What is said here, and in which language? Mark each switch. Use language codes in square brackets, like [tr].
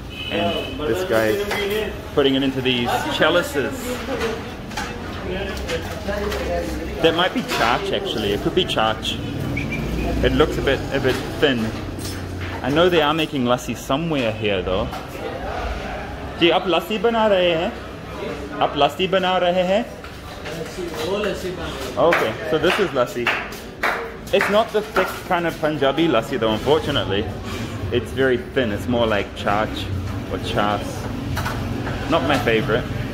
[en] And this guy is putting it into these chalices. That might be charch actually. It could be charch. It looks a bit thin. I know they are making lassi somewhere here though. [hi] जी, आप लस्सी बना रहे हैं? आप लस्सी बना रहे हैं? [en] Okay, so this is lassi. It's not the thick kind of Punjabi lassi though, unfortunately. It's very thin. It's more like charch. Or chas. Not my favorite.